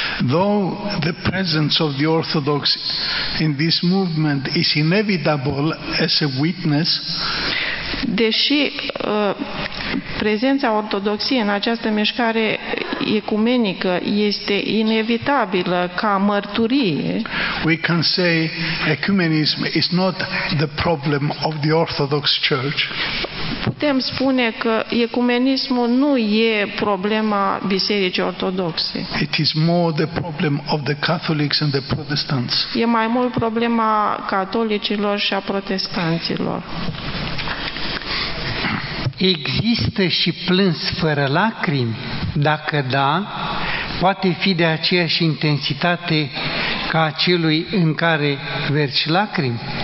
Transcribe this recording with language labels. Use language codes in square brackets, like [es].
[en] Though the presence of the Orthodox in this movement is inevitable as a witness, [ro] deși prezența ortodoxiei în această mișcare ecumenică este inevitabilă ca mărturie, [en] we can say ecumenism is not the problem of the Orthodox Church. [ro] Putem spune că ecumenismul nu e problema bisericii ortodoxe. [en] It is more the problem of the Catholics and the Protestants. [ro] E mai mult problema catolicilor și a protestanților. Există și plâns fără lacrimi? Dacă da, poate fi de aceeași intensitate ca celui în care vergi lacrimi?